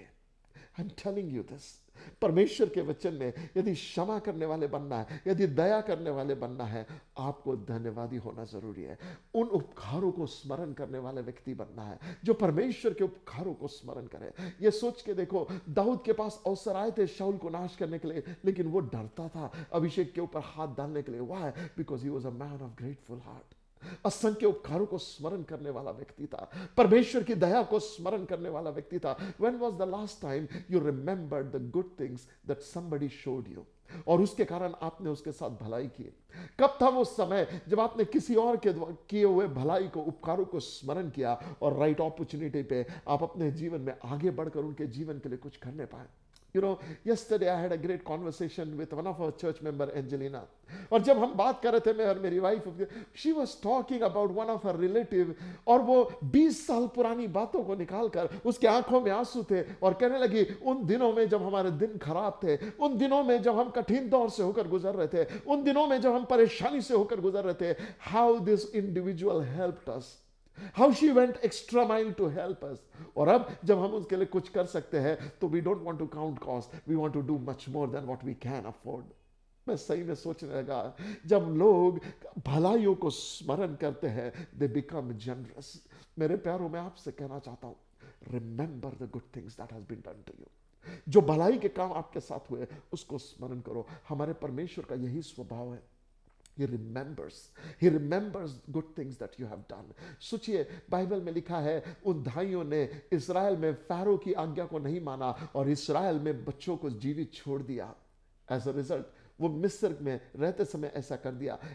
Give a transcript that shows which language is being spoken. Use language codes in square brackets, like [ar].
[en] I am telling you this, [hi] परमेश्वर के वचन में यदि क्षमा करने वाले बनना है, यदि दया करने वाले बनना है, आपको धन्यवादी होना जरूरी है, उन उपकारों को स्मरण करने वाले व्यक्ति बनना है जो परमेश्वर के उपकारों को स्मरण करे। ये सोच के देखो, दाऊद के पास अवसर आए थे शाऊल को नाश करने के लिए, लेकिन वो डरता था अभिषेक के ऊपर हाथ डालने के लिए। [en] Why? Because he was a man of grateful heart, [hi] असंख्य उपकारों को स्मरण करने वाला व्यक्ति था, परमेश्वर की दया को स्मरण करने वाला व्यक्ति था। [en] When was the last time you remembered the good things that somebody showed you? [hi] और उसके कारण आपने उसके साथ भलाई की। कब था वो समय जब आपने किसी और के द्वारा किए हुए भलाई को, उपकारों को स्मरण किया और राइट अपॉर्चुनिटी पे आप अपने जीवन में आगे बढ़कर उनके जीवन के लिए कुछ करने पाए? [en] You know, yesterday I had a great conversation with one of our church member, Angelina. [hi] और जब हम बात कर रहे थे, मैं और मेरी wife, [en] she was talking about one of her relative, [hi] और वो 20 साल पुरानी बातों को निकाल कर उसके आंखों में आंसू थे और कहने लगी, उन दिनों में जब हमारे दिन खराब थे, उन दिनों में जब हम कठिन दौर से होकर गुजर रहे थे, उन दिनों में जब हम परेशानी से होकर गुजर रहे थे, [en] how this individual helped us. How she went extra mile to help us. [hi] और अब जब हम उसके लिए कुछ कर सकते हैं तो [en] we don't want to count cost, we want to do much more than what we can afford. मैं सही में सोचने लगा, जब लोग भलाइयों को स्मरण करते हैं they become generous. [hi] मेरे प्यारों, मैं आपसे कहना चाहता हूं, [en] remember the good things that has been done to you. [hi] जो भलाई के काम आपके साथ हुए उसको स्मरण करो। हमारे परमेश्वर का यही स्वभाव है, [en] He remembers good things that you have done. [hi] सोचिए, बाइबल में लिखा है उन धाइयों ने इसराइल में फैरो की आज्ञा को नहीं माना और इसराइल में बच्चों को जीवित छोड़ दिया। [en] As a result, [hi] वो मिस्र में रहते समय ऐसा कर दिया।